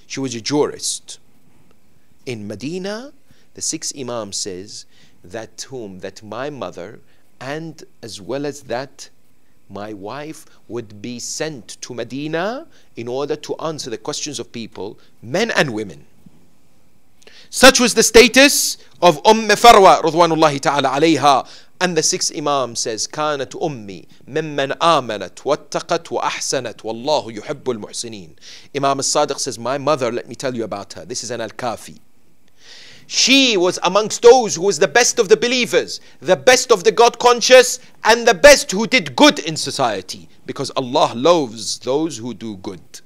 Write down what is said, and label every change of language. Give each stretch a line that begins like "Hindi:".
English: She was a jurist. In Medina, the sixth Imam says, that my mother and as well as that my wife would be sent to Medina in order to answer the questions of people, men and women. Such was the status of Umm Farwa radhwanullahi ta'ala alayha. And the sixth Imam says,
Arabic: كانت أمي ممن آمنت واتقت وأحسنت والله يحب المحسنين.
English: Imam al-Sadiq says, my mother, let me tell you about her. This is an al-Kafi. She was amongst those who was the best of the believers, the best of the God conscious, and the best who did good in society, because Allah loves those who do good.